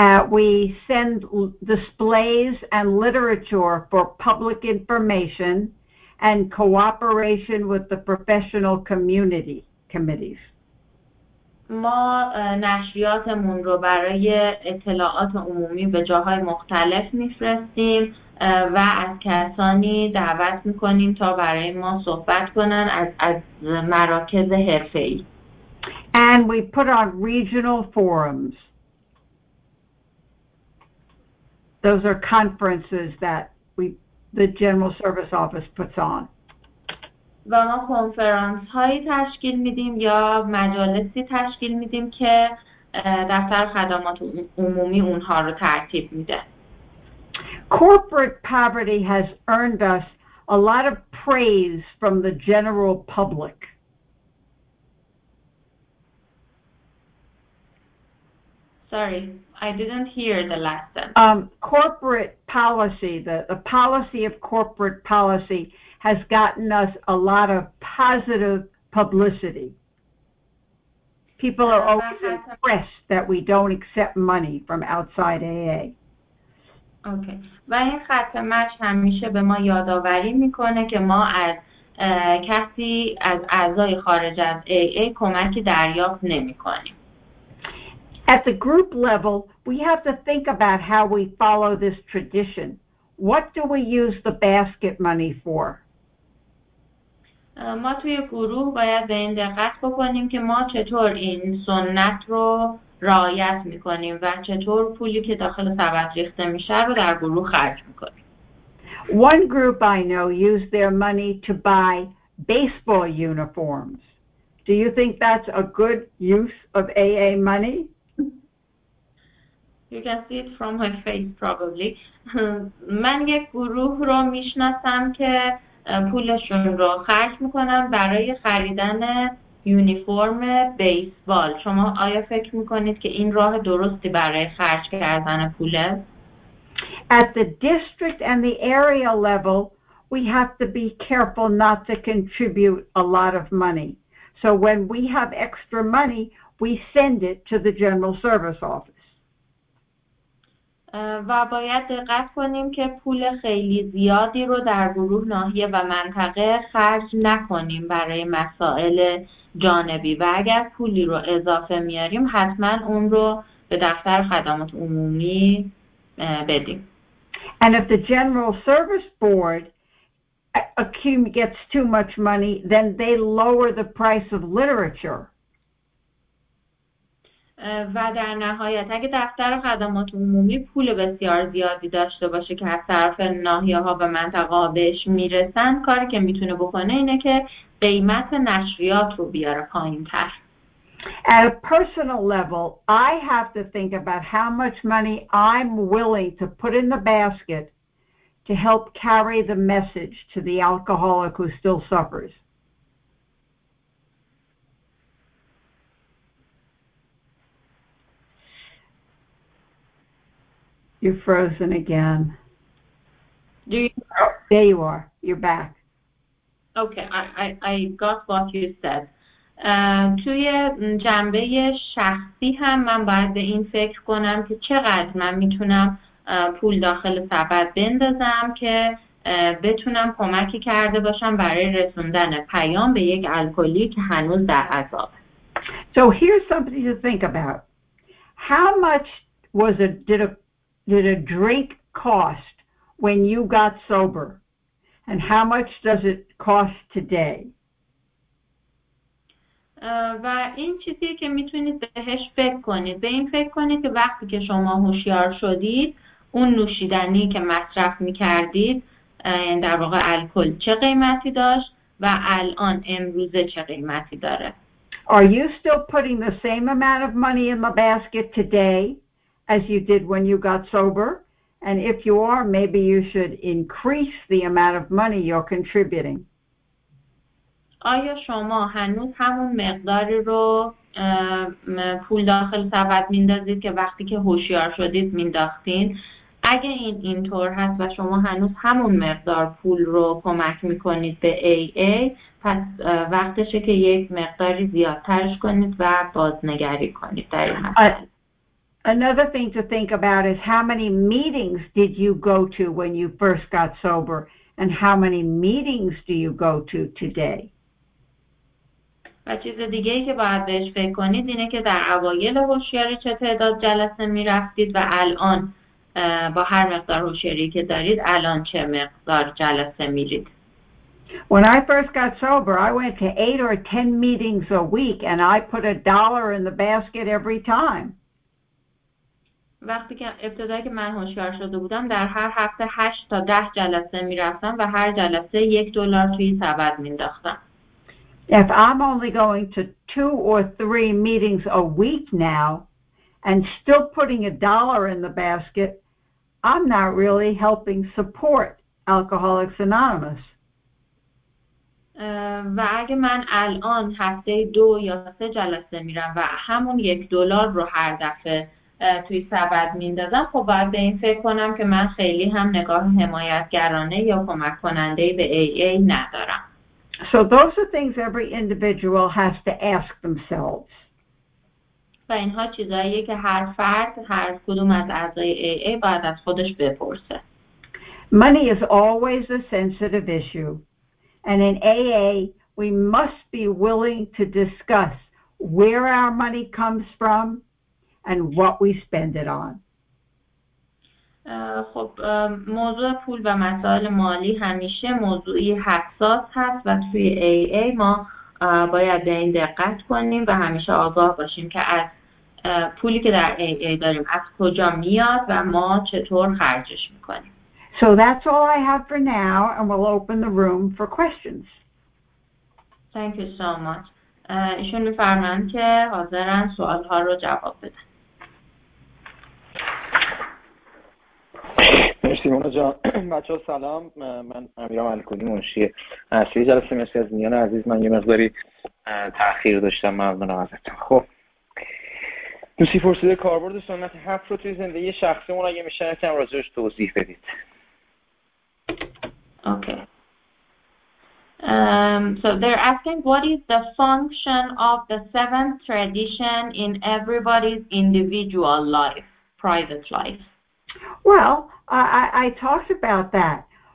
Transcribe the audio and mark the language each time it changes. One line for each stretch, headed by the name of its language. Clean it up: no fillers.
English: We send displays and literature for public information and cooperation with the professional community committees.
Persian: ما نشریاتمون رو برای اطلاعات عمومی به جاهای مختلف میفرستیم و از کسانی دعوت میکنیم تا برای ما صحبت کنن از مراکز حرفه‌ای.
English: And we put on regional forums. Those are conferences that the General Service Office puts on.
Persian: و ما کنفرانس هایی تشکیل میدیم یا مجالسی تشکیل میدیم که دفتر خدمات عمومی اونها رو ترتیب میده.
English: Corporate poverty has earned us a lot of praise from the general public. Sorry. I didn't hear the last sentence. Corporate policy, the policy of corporate policy has gotten us a lot of positive publicity. People are always impressed that we don't accept money from outside AA. Okay.
Persian: و این خط مچ همیشه به ما یادآوری میکنه که ما از کسی از اعضای خارج از AA کمکی دریافت نمیکنیم.
English: At the group level, we have to think about how we follow this tradition. What do we use the basket money for?
Persian: ما توی گروه باید به این دقت بکنیم که ما چطور این سنت رو رعایت میکنیم و چطور پولی که داخل سبد ریخته میشه رو در گروه خرج میکنیم.
English: One group I know used their money to buy baseball uniforms. Do you think that's a good use of AA money? You can see it from my face probably.
Persian: من یک گروه رو میشناسم که پولشون رو خرج میکنن برای خریدن یونیفرم بیسبال. شما آیا فکر میکنید که این راه درستی برای خرج کردن پوله؟
English: At the district and the area level, we have to be careful not to contribute a lot of money. So when we have extra money, we send it to the general service office.
Persian: و باید دقت کنیم که پول خیلی زیادی رو در گروه ناحیه و منطقه خرج نکنیم برای مسائل جانبی و اگر پولی رو اضافه میاریم حتما اون رو به دفتر خدمات عمومی بدیم.
English: And if the General Service Board gets too much money, then they lower the price of literature.
Persian: و در نهایت اگه دفتر خدمات عمومی پول بسیار زیادی داشته باشه که از طرف ناحیه ها و منطقه ها بهش میرسن، کاری که میتونه بکنه اینه که قیمت نشریات رو بیاره پایین تر.
English: At a personal level, I have to think about how much money I'm willing to put in the basket to help carry the message to the alcoholic who still suffers. You're frozen again. Do you? There you are. You're back. Okay, I got what you said.
Persian: توی جنبه شخصی هم من باید به این فکر کنم که چقدر من میتونم پول داخل سبد بندازم که بتونم کمکی کرده باشم برای رسوندن پیام به یک الکلی که هنوز در عذاب.
English: So here's something to think about. How much was a did a drink cost when you got sober? And how much does it cost today?
Persian: و این چیزی که میتونید بهش فکر کنید، به این فکر کنید که وقتی که شما هوشیار شدید اون نوشیدنی که مصرف میکردید در واقع الکل چه قیمتی داشت و الان امروزه چه قیمتی داره.
English: Are you still putting the same amount of money in the basket today as you did when you got sober? And if you are, maybe you should increase the amount of money you're contributing.
Persian: آیا شما هنوز همون مقداری رو پول داخل سبد میندازید که وقتی که هوشیار شدید مینداختین؟ اگه این طور هست و شما هنوز همون مقدار پول رو کمک میکنید به AA، پس وقتشه که یک مقداری زیادترش کنید و بازنگری کنید در این حالت.
English: Another thing to think about is how many meetings did you go to when you first got sober and how many meetings do you go to today?
Persian: و چیز دیگه ای که باید بهش فکر کنید اینه که در اوایل هوشیاری چه تعداد جلسه می رفتید و الان با هر مقدار هوشیاری که دارید الان چه مقدار جلسه می رید.
English: When I first got sober, I went to 8 or 10 meetings a week and I put a dollar in the basket every time.
Persian: وقتی که ابتدایی که من هوشیار شده بودم در هر هفته 8 تا 10 جلسه می رفتم و هر جلسه 1 دلار توی سبد می انداختم.
English: If I'm only going to 2 or 3 meetings a week now and still putting a dollar in the basket, I'm not really helping support Alcoholics Anonymous.
Persian: و اگه من الان هفته 2 یا 3 جلسه میرم و همون 1 دلار رو هر دفعه توی سبد میندازم، خب باید به این فکر کنم که من خیلی هم نگاه حمایتگرانه یا کمک کننده به AA ندارم.
English: So those are things every individual has to ask themselves.
Persian: و اینها چیزاییه که هر فرد هر کدوم از اعضای AA باید از خودش بپرسه.
English: Money is always a sensitive issue. And in AA, we must be willing to discuss where our money comes from and what we spend it on.
Persian: خب موضوع پول و مسائل مالی همیشه موضوعی حساس هست و توی AA ما باید به این دقت کنیم و همیشه آگاه باشیم که از پولی که در AA داریم از کجا میاد و ما چطور خرجش میکنیم.
English: So that's all I have for now, and we'll open the room for questions. Thank you so much.
Persian: ایشون میفرمان که حاضرن سوالها رو جواب بدن. مرسی مونا جان. بچه ها سلام، من امیرام الکولی منشی اصلی جلسه. مرسی از میان عزیز، من یه مقداری تأخیر داشتم، ممنونم ازتون. خب دوستی پرسیده کاربرد سنت 7 رو توی زندگی شخصی مون اگه میشه یکم راجعش توضیح بدید.
English: Okay, so they're asking what is the function of the seventh tradition in everybody's individual life, private life. Well, I talked about that.